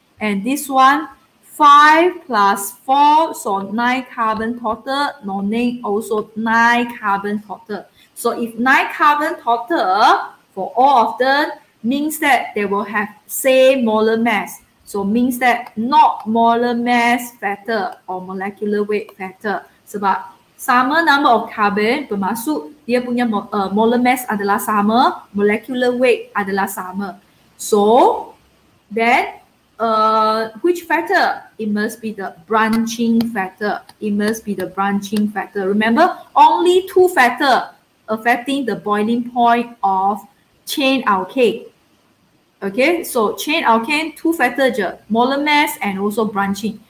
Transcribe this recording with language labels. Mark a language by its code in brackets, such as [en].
[en] And this one, 5 plus 4, so 9 carbon total. Nonane also 9 carbon total. So if 9 carbon total for all of them, means that they will have same molar mass. So means that not molar mass factor or molecular weight factor. [ms] Sebab sama [en] number of carbon [ms] bermaksud dia punya molar mass adalah sama, molecular weight adalah sama. [en] So then which factor? It must be the branching factor. It must be the branching factor. Remember, only two factors affecting the boiling point of chain alkane. Okay, so chain alkane, two factors, molar mass and also branching.